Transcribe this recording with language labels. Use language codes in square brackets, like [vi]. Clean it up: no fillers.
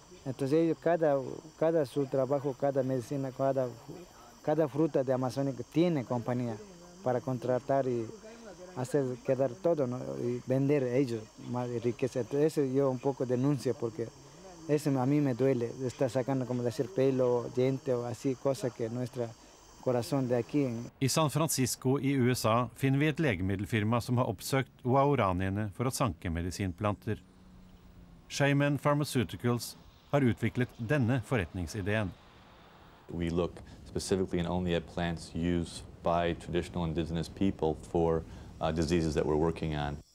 [es] Entonces ellos, cada su trabajo, cada medicina, cada fruta de Amazónica tiene compañía para contratar y hacer quedar todo, ¿no? Y vender ellos más riqueza. Entonces eso yo un poco denuncio porque... Eso a mí me duele, está sacando como decir pelo, diente o así, cosa que nuestro corazón de aquí. [no] I San Francisco i USA finner vi et legemiddelfirma som har oppsøkt Waoraniene for å sanke medisinplanter. Shaman Pharmaceuticals har utviklet denne forretningsideen. [en] We look specifically and only at plants used by traditional indigenous people for diseases that we're working on.